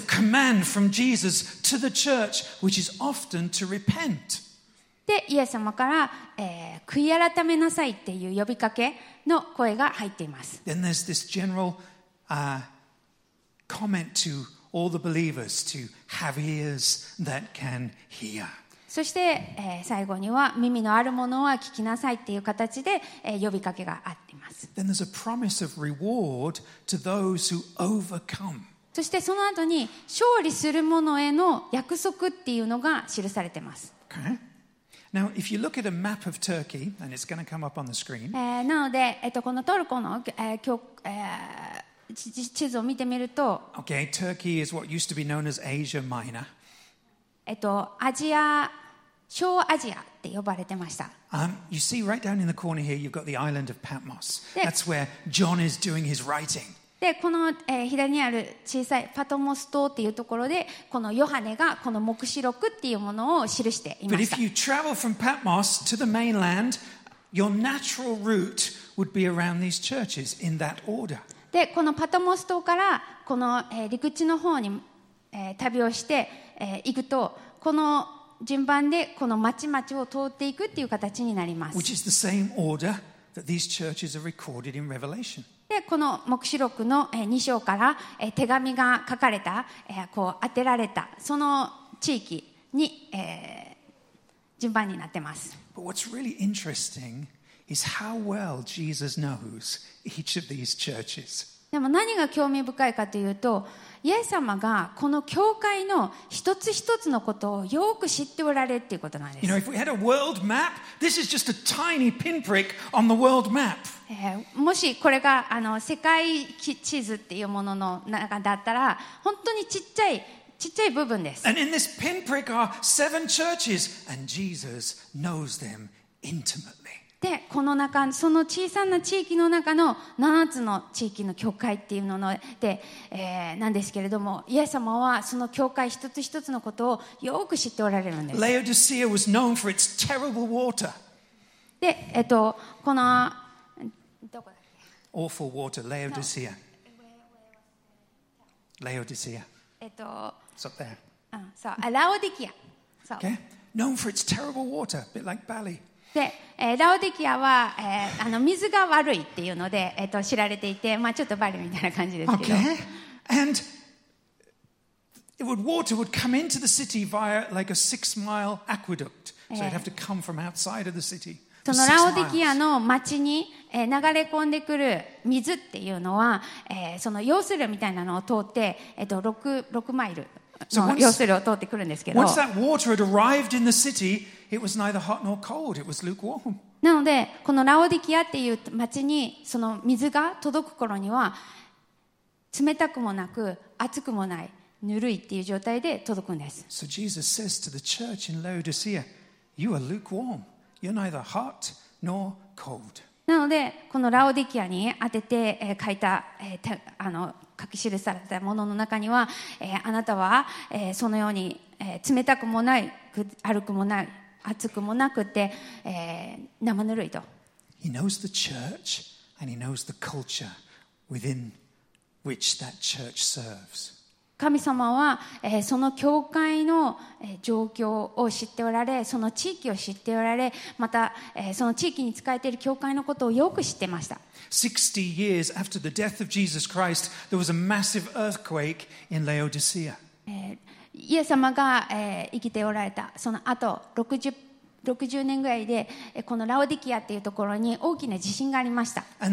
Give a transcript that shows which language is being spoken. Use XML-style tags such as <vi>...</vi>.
<en>There's a command from Jesus to the church, which is often to repent.</en> <ja>で、イエス様から、悔い改めなさいっていう呼びかけの声が入っています。</ja> <en>Then there's this general, comment to all the believers to have ears that can hear.</en> <ja>そして、最後には耳のあるものは聞きなさいっていう形で、呼びかけがあっています。</ja> <en>Then there's a promise of reward to those who overcome.</en> <ja>そしてその後に勝利する者への約束っていうのが記されています。</ja> <en>Okay. Now if you look at a map of Turkey, and it's going to come up on the screen.</en> <ja>なので、このトルコの、地図を見てみると</ja> <en>Okay, Turkey is what used to be known as Asia Minor.</en> <ja>アジア、小アジアって呼ばれてました。</ja> <en>You see right down in the corner here, you've got the island of Patmos. That's where John is doing his writing.</en> <ja>で、この、左にある小さいパトモス島っていうところで、このヨハネがこの黙示録っていうものを記していました。</ja> <en>But if you travel from Patmos to the mainland, your natural route would be around these churches in that order.</en> <ja>で、このパトモス島からこの、陸地の方に、旅をして、行くとこの順番でこの町々を通っていくっていう形になります。</ja> <en>Which is the same order that these churches are recorded in Revelation.</en> <ja>でこの黙示録の2章から手紙が書かれた、こう宛てられたその地域に、順番になってます。</ja> <en>But what's really interesting is how well Jesus knows each of these churches.</en> <ja>でも何が興味深いかというと、イエス様がこの教会の一つ一つのことをよく知っておられるということなんです。</ja> <en>You know, if we had a world map, this is just a tiny pinprick on the world map.</en> <ja>もしこれが世界地図っていうものの中だったら、本当にちっちゃい部分です。</ja> <en>And in this pinprick are seven churches, and Jesus knows them intimately.</en> <ja>でこの中その小さな地域の中の7つの地域の教会っていうの で、なんですけれどもイエス様はその教会一つ一つのことをよく知っておられるんです。</ja> <en>ラオディシア was known for its terrible water.</en> <ja>で、このどこだっけ</ja> <en>Awful water, ラオディシア。ラオディシア。It's up there.</en> <ja>そう、ラオディキア。そう。</ja> <en>Okay. Known for its terrible water, a bit like Bali.</en> <ja>でラオディキアは、水が悪いっていうので、知られていて、まあ、ちょっとバリみたいな感じですけど。</ja> <en>Okay. And it would, water would come into the city via like a 6-mile aqueduct. So it'd have to come from outside of the city.</en> <ja>そのラオディキアの町に流れ込んでくる水っていうのは、その用水路みたいなのを通って、6マイルの用水路を通ってくるんですけど。</ja> <en>Once that water had arrived in the city,It was neither hot nor cold. It was lukewarm.</en> <ja>なのでこのラオディキアっていう町にその水が届く頃には冷たくもなく熱くもないぬるいっていう状態で届くんです。</ja> <en>So Jesus says to the church in Laodicea, "You are lukewarm. You're neither hot nor cold."</en> <ja>なのでこのラオディキアに当てて書いた書き記されたものの中には、あなたは、そのように、冷たくもない熱くもない熱くもなくて、生ぬるいと。</ja> <en>He knows the church and he knows the culture within which that church serves.</en> <ja>神様は、その教会の、状況を知っておられ、その地域を知っておられ、また、その地域に仕えている教会のことをよく知ってました。</ja> <en>60 years after the death of Jesus Christ, there was a massive earthquake in Laodicea.</en> <ja>イエス様が、生きておられたその後 60年ぐらいで、このラオディキアっていうところに大きな地震がありました。</ja>